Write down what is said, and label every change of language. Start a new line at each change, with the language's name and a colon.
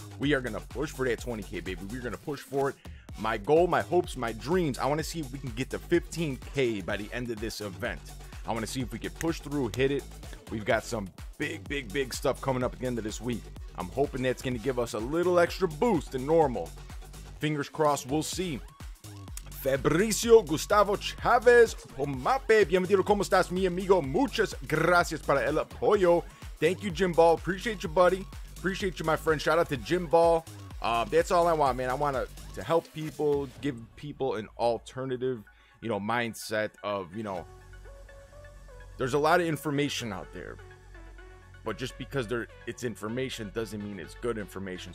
English: We are going to push for that 20K, baby. We're going to push for it. My goal, my hopes, my dreams. I want to see if we can get to 15K by the end of this event. I want to see if we can push through, hit it. We've got some big, big, big stuff coming up at the end of this week. I'm hoping that's going to give us a little extra boost than normal. Fingers crossed, we'll see.
Spanish: Fabricio Gustavo Chavez, Pomape, bienvenido, como estas, mi amigo, muchas gracias para el apoyo.
English: Thank you, Jim Ball, appreciate you, buddy, appreciate you, my friend. Shout out to Jim Ball. That's all I want, man. I want to help people, give people an alternative, you know, mindset of, you know, there's a lot of information out there, but just because it's information doesn't mean it's good information.